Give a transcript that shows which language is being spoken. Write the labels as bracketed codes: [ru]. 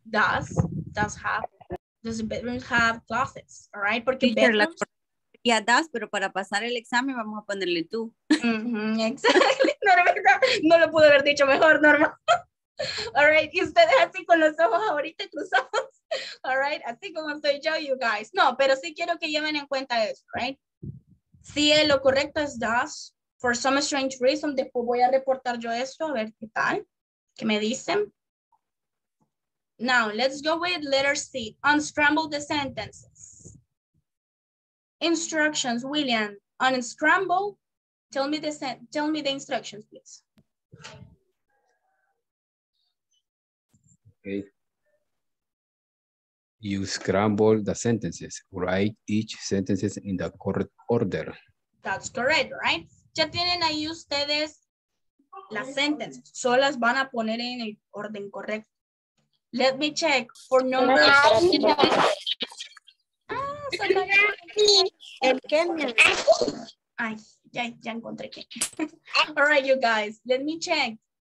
[en] Does have, does the bedroom have closets, all right? [es] Porque sí, bedrooms... la correcta sería does, pero para pasar el examen vamos a ponerle tú. Mm-hmm, exactly, Norma, no lo pude haber dicho mejor, Norma. [en] All right, [es] y ustedes así con los ojos ahorita cruzados, [en] all right? [es] Así como estoy yo, [en] you guys. [es] No, pero sí quiero que lleven en cuenta eso, [en] right? [es] Si lo correcto es does, [en] for some strange reason, [es] después voy a reportar yo esto, a ver qué tal, qué me dicen. [en] Now, let's go with letter C, unscramble the sentences. Instructions, William, unscramble, tell me the instructions, please. Okay. You scramble the sentences, write each sentence in the correct order. That's correct, right? [es] Ya tienen ahí ustedes las sentences. Solo las van a poner en el orden correcto. [en] Let me check for number. Ah, [es] salió. [en] El Kenya. [es] Ay, ya encontré. [en] All right, you guys. Let me check.